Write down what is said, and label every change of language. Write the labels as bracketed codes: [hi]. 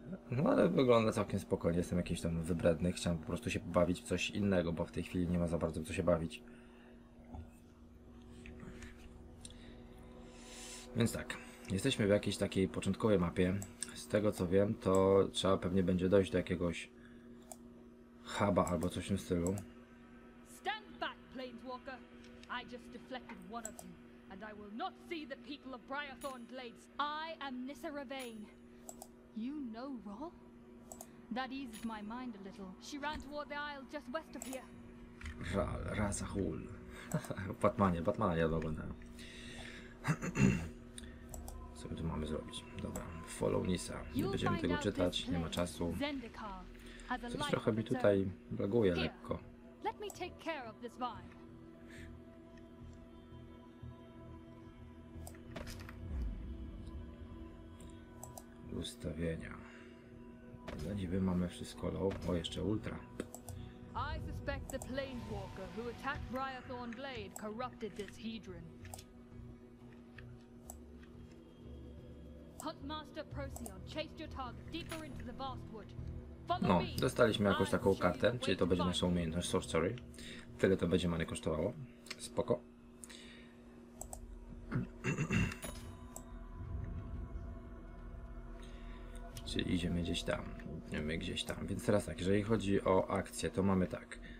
[pl] No ale wygląda całkiem spokojnie, jestem jakiś tam wybredny, chciałem po prostu się pobawić w coś innego, bo w tej chwili nie ma za bardzo co się bawić. Więc tak, jesteśmy w jakiejś takiej początkowej mapie. Z tego co wiem, to trzeba pewnie będzie dojść do jakiegoś huba albo coś w tym stylu. [en] Stand back, Planeswalker. I just deflected one of you, and I will not see the people of Briarthorn Glades. I am Nissa Ravain. You know Rol? That eases my mind a little. She ran toward the isle just west of here. [pl] Ral, Ra's al Ghul. Batmana ja oglądałem. Co my tu mamy zrobić? Dobra, [en] follow Nissa. [pl] Nie będziemy tego czytać, nie ma czasu. Coś trochę mi tutaj blaguje lekko. [en] Let me take care of this vine. [pl] Ustawienia. Za niby mamy wszystko low. O, jeszcze ultra. [en] I suspect the planeswalker who attacked Briarthorn Glade corrupted this hedron. Huntmaster Procyon chased your target deeper into the vast wood. [pl] No, dostaliśmy jakąś taką kartę, czyli to będzie nasza umiejętność sorcery. Tyle to będzie manie kosztowało. Spoko. Czyli idziemy gdzieś tam. Idziemy gdzieś tam. Więc teraz tak, jeżeli chodzi o akcję, to mamy tak.